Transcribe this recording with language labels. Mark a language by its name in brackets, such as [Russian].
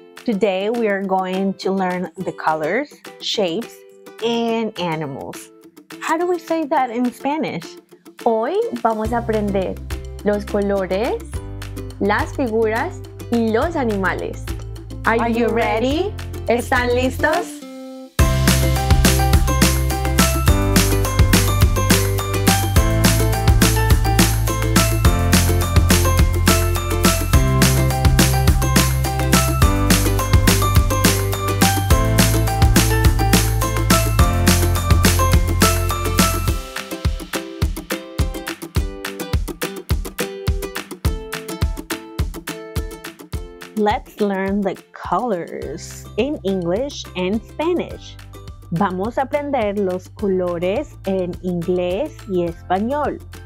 [English] Today we are going to learn the colors, shapes, and animals. How do we say that in Spanish? [Spanish] Hoy vamos a aprender los colores, las figuras, y los animales. [English] Are you ready? [Spanish] ¿Están listos? [English] Let's learn the colors in English and Spanish. [Spanish] Vamos a aprender los colores en inglés y español.